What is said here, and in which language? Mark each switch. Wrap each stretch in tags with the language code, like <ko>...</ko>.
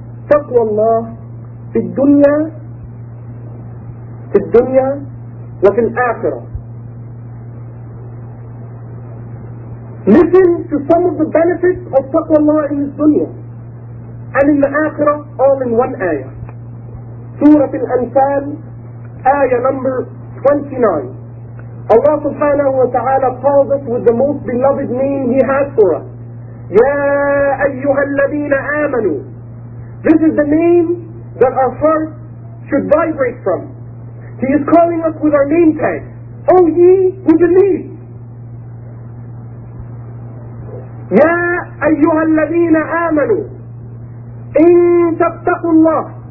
<ar>تقوى الله في الدنيا وفي الآخرة.</ar> <en>Listen to some of the benefits of taqwallah in this dunya and in the akhirah, all in one ayah. Surah Al-Anfal, ayah number 29. Allah subhanahu wa ta'ala calls us with the most beloved name he has for us.</en> <ar>Ya ayyuhal ladina amanu.</ar> <en>This is the name that our heart should vibrate from. He is calling us with our name tag. O ye who believe.</en> <ar>يا أيها الذين آمنوا إن تتقوا الله.</ar>